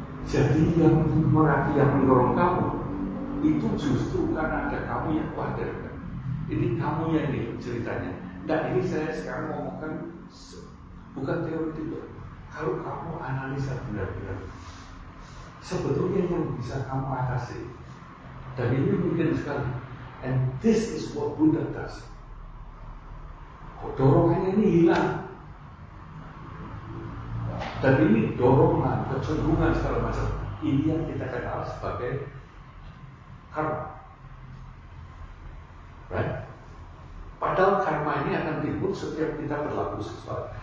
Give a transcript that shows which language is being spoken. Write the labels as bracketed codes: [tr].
[id] Jadi yang merapi yang mendorong kamu itu justru karena ada kamu yang khawatir. Ini kamu yang nih ceritanya. Dan ini saya sekarang ngomongkan bukan teori tidak. Kalau kamu analisa benar-benar, sebetulnya yang bisa kamu atasi. Dan ini mungkin sekali. [en] And this is what Buddha does. [id] Dorongannya ini hilang. Dan ini dorongan, kecenderungan segala macam. Ini yang kita kenal sebagai karma. Right? Padahal karma ini akan timbul setiap kita berlaku sesuatu.